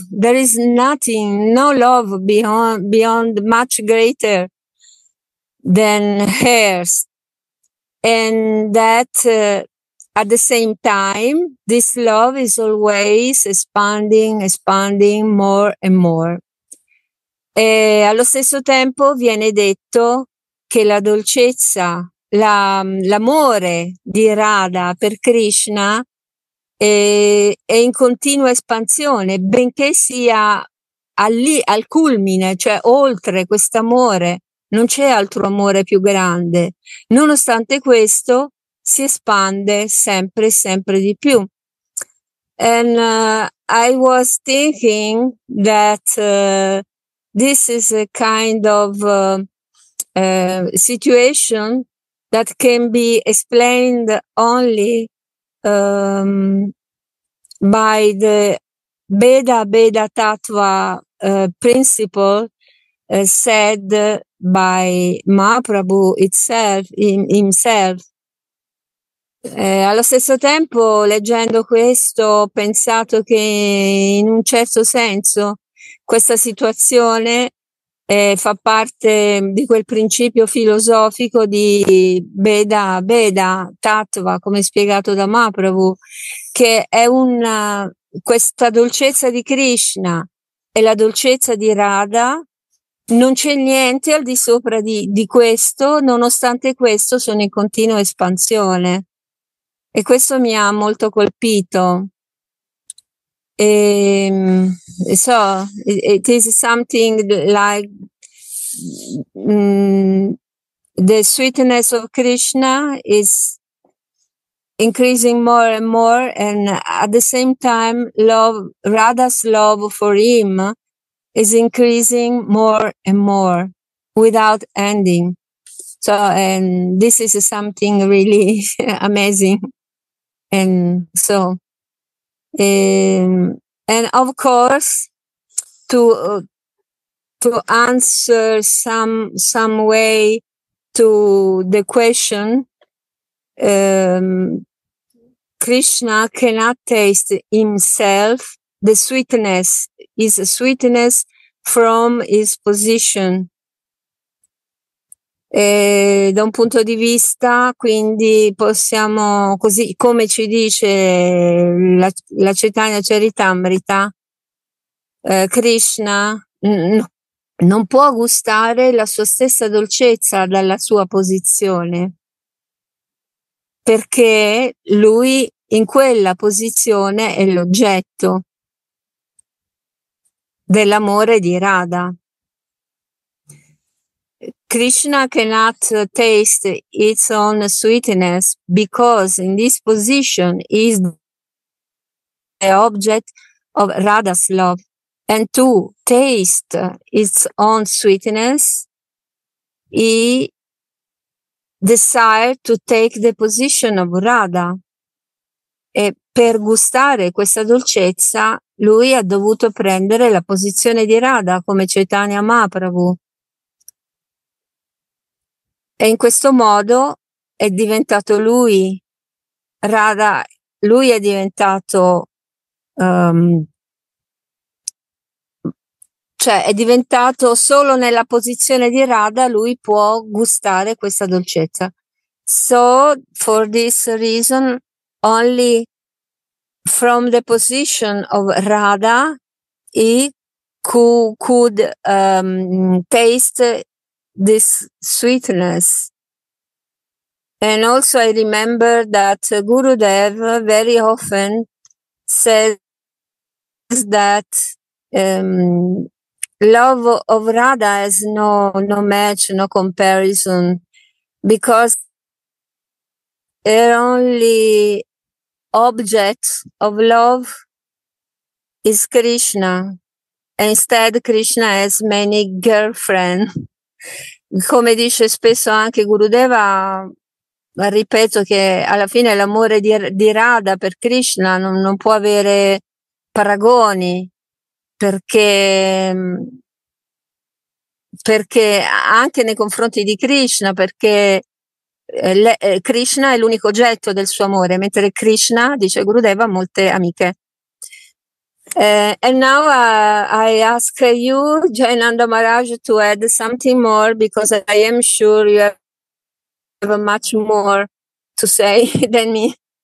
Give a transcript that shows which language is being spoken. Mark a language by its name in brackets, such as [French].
[English] There is nothing, no love beyond much greater than hers. And that at the same time, this love is always expanding more and more. [Italian] E allo stesso tempo viene detto che la dolcezza, l'amore di Radha per Krishna è in continua espansione, benché sia al culmine, cioè oltre quest'amore, non c'è altro amore più grande. Nonostante questo, si espande sempre, sempre di più. [English] And I was thinking that this is a kind of situation that can be explained only by the Beda Tattva principle said by Mahaprabhu himself. [Italian] Allo stesso tempo, leggendo questo, ho pensato che in un certo senso questa situazione fa parte di quel principio filosofico di Beda Tattva, come spiegato da Mahaprabhu, che è questa dolcezza di Krishna e la dolcezza di Radha, non c'è niente al di sopra di questo, nonostante questo sono in continua espansione. E questo mi ha molto colpito. [English] So it is something like the sweetness of Krishna is increasing more and more, and at the same time Radha's love for him is increasing more and more without ending. So and this is something really amazing. And so and of course, to answer some way to the question, Krishna cannot taste himself. The sweetness is a sweetness from his position. [Italian] E da un punto di vista, quindi possiamo, così come ci dice la Chaitanya Charitamrita, Krishna non può gustare la sua stessa dolcezza dalla sua posizione, perché lui in quella posizione è l'oggetto dell'amore di Radha. [English] Krishna cannot taste its own sweetness because in this position is the object of Radha's love. And to taste its own sweetness, he desired to take the position of Radha. [Italian] E per gustare questa dolcezza, lui ha dovuto prendere la posizione di Radha, come Chaitanya Mahaprabhu. E in questo modo è diventato lui, Radha, lui è diventato, cioè è diventato solo nella posizione di Radha, lui può gustare questa dolcezza. [English] So, for this reason, only from the position of Radha, he could taste this sweetness. And also I remember that Gurudev very often says that love of Radha has no match, no comparison, because her only object of love is Krishna. Instead, Krishna has many girlfriends. [Italian] Come dice spesso anche Gurudeva, ripeto che alla fine l'amore di Radha per Krishna non può avere paragoni, perché anche nei confronti di Krishna, perché Krishna è l'unico oggetto del suo amore, mentre Krishna, dice Gurudeva, ha molte amiche. [English] And now I ask you, Jayananda Maharaj, to add something more, because I am sure you have much more to say than me.